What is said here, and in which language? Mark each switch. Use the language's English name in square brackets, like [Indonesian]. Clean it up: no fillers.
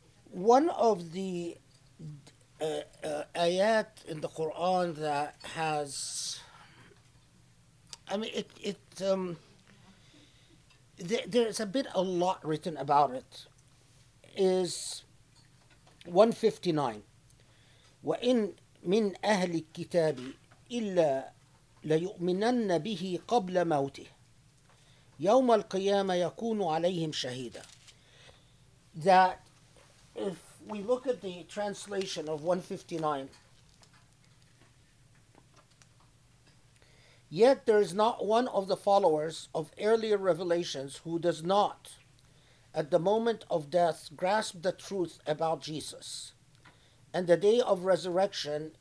[English] One of the ayat in the Quran that has, I mean, there's a bit a lot written about it, is 159. [Arabic] وَإِن من أهل الكتاب إلا ليؤمنن به قبل موته يوم القيامة يكون عليهم شهيدا. [English] That if we look at the translation of 159, yet there is not one of the followers of earlier revelations who does not, at the moment of death, grasp the truth about Jesus and the day of resurrection.